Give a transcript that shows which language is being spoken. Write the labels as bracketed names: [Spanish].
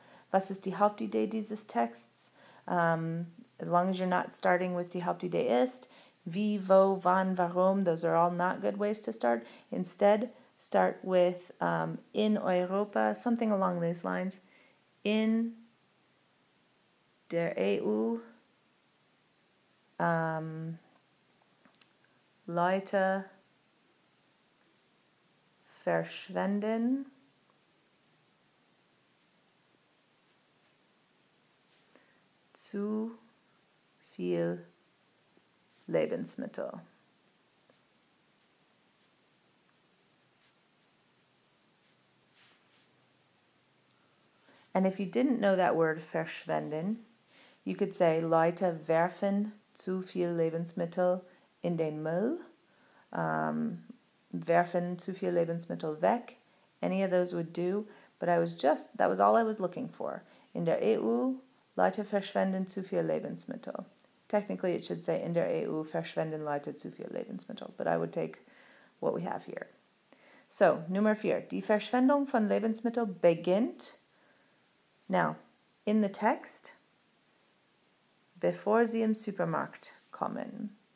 [German] Was ist die Hauptidee dieses Texts? [English] As long as you're not starting with [German] die Hauptidee ist, wie, wo, wann, warum, [English] those are all not good ways to start. Instead, start with [German] in Europa, [English] something along these lines. [German] In der EU, Leute verschwenden zu viel Lebensmittel. [English] And if you didn't know that word [German] verschwenden, [English] you could say [German] Leute werfen zu viel Lebensmittel in den Müll, werfen zu viel Lebensmittel weg. [English] Any of those would do, but that was all I was looking for. [German] In der EU, Leute verschwenden zu viel Lebensmittel. [English] Technically, it should say [German] in der EU verschwenden Leute zu viel Lebensmittel, [English] but I would take what we have here. [German] So, Nummer 4. Die Verschwendung von Lebensmittel beginnt. [English] Now, in the text, [German] bevor sie im Supermarkt kommen.